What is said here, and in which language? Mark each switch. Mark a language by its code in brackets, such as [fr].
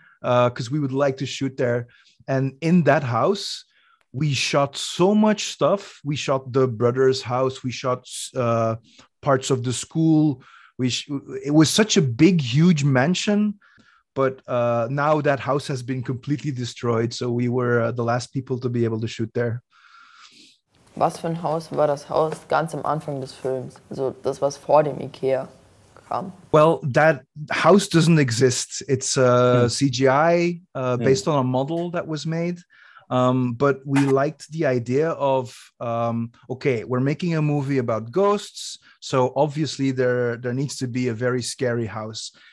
[en] Because we would like to shoot there. And in that house, we shot so much stuff. We shot the brother's house. We shot parts of the school. It was such a big, huge mansion. But now that house has been completely destroyed, so we were the last people to be able to shoot there. [de] Was für ein Haus war das Haus ganz am Anfang des Films? Also das, was vor dem IKEA kam? [en] Well, that house doesn't exist. It's CGI based on a model that was made. But we liked the idea of, okay, we're making a movie about ghosts, so obviously there needs to be a very scary house.